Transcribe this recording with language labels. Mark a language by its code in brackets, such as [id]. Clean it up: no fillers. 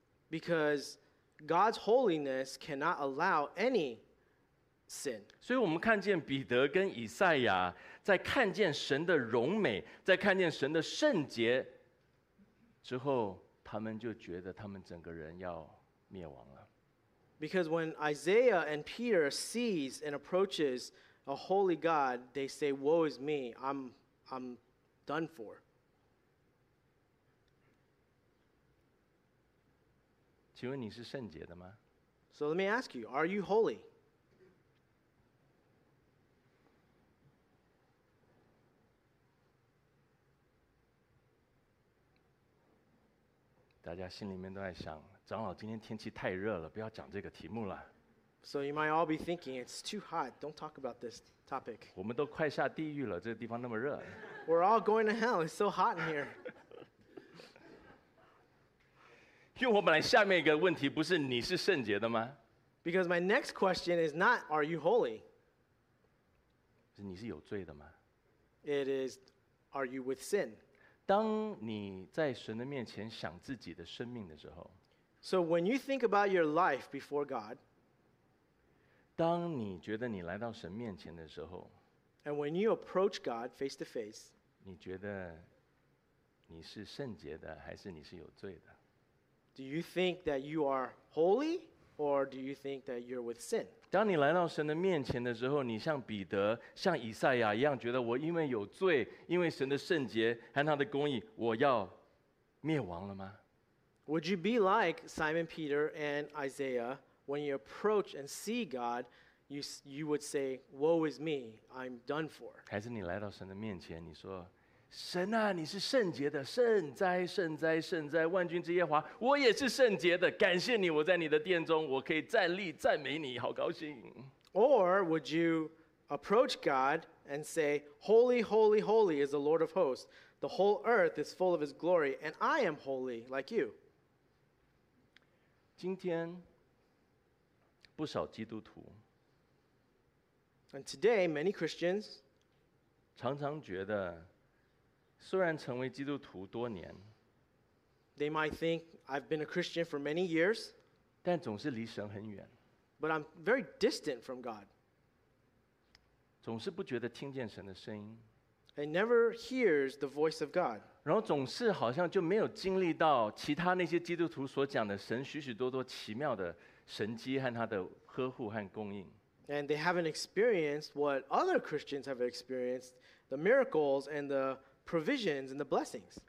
[en] Because God's holiness cannot allow any sin. [zh] 所以我们看见彼得跟以赛亚在看见神的荣美，在看见神的圣洁之后，他们就觉得他们整个人要灭亡了。 [en] Because when Isaiah and Peter sees and approaches a holy God, they say, Woe is me, I'm done for. [zh] 请问你是圣洁的吗？ [en] So let me ask you, are you holy? [zh] 大家心里面都在想，长老今天天气太热了，不要讲这个题目了。 [en] So you might all be thinking, it's too hot, don't talk about this topic. [zh] 我们都快下地狱了，这个地方那么热。 [en] We're all going to hell, it's so hot in here. [zh] 因为我本来下面一个问题不是你是圣洁的吗？ [en] Because my next question is not, are you holy? [zh] 是你是有罪的吗？ [en] It is, are you with sin? [zh] 当你在神的面前想自己的生命的时候， [en] So when you think about your life before God, [zh] 当你觉得你来到神面前的时候， [en] and when you approach God face to face, [zh] 你觉得你是圣洁的还是你是有罪的？ [en] Do you think that you are holy or do you think that you're with sin? [zh] 当你来到神的面前的时候，你像彼得、像以赛亚一样，觉得我因为有罪，因为神的圣洁和他的公义，我要灭亡了吗？ [en] Would you be like Simon Peter and Isaiah when you approach and see God, you would say, Woe is me, I'm done for. [zh] 还是你来到神的面前，你说，神啊，你是圣洁的，圣哉，圣哉，圣哉，万军之耶和华，我也是圣洁的，感谢你，我在你的殿中，我可以站立赞美你，好高兴。 [en] Or would you approach God and say, Holy, holy, holy is the Lord of hosts. The whole earth is full of his glory, and I am holy like you. [zh] 今天不少基督徒， [en] And today, many Christians [zh] 常常觉得，虽然成为基督徒多年， [en] They might think, I've been a Christian for many years, [zh] 但总是离神很远， [en] But I'm very distant from God. [zh] 总是不觉得听见神的声音。 [en] And never hears the voice of God. [zh] 然后总是好像就没有经历到其他那些基督徒所讲的神许许多多奇妙的神迹和他的呵护和供应。 [en] And they haven't experienced what other Christians have experienced, the miracles and the provisions and the blessings.